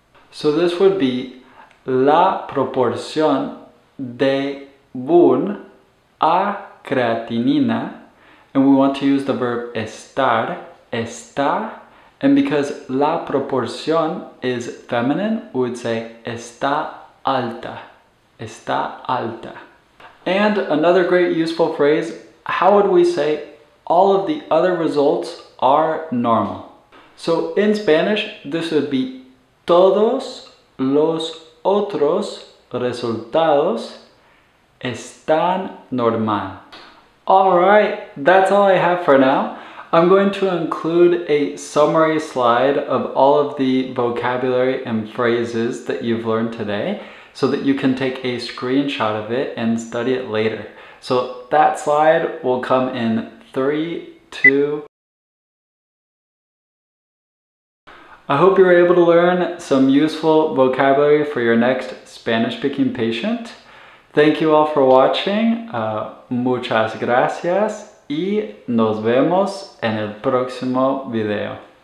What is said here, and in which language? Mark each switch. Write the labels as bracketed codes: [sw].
[en] So this would be la proporción de BUN a creatinina, and we want to use the verb estar, está, and because la proporción is feminine, we would say está alta, está alta. And another great useful phrase, how would we say all of the other results are normal? So in Spanish, this would be todos los otros resultados están normal. All right, that's all I have for now. I'm going to include a summary slide of all of the vocabulary and phrases that you've learned today so that you can take a screenshot of it and study it later. So that slide will come in 3, 2. I hope you're able to learn some useful vocabulary for your next Spanish speaking patient. Thank you all for watching. [es] Muchas gracias y nos vemos en el próximo video.